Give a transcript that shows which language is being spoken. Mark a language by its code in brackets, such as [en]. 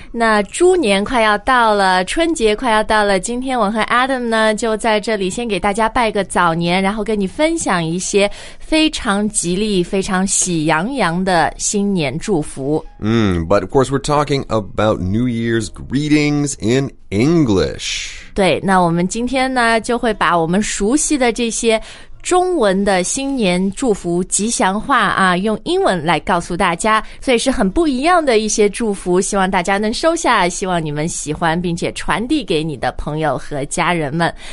[zh] 那猪年快要到了，春节快要到了，今天我和 Adam 呢，就在这里先给大家拜个早年，然后跟你分享一些非常吉利、非常喜洋洋的新年祝福。 [en] But of course we're talking about New Year's greetings in English. [zh] 对，那我们今天呢，就会把我们熟悉的这些中文的新年祝福吉祥话啊，用英文来告诉大家，所以是很不一样的一些祝福，希望大家能收下，希望你们喜欢并且传递给你的朋友和家人们。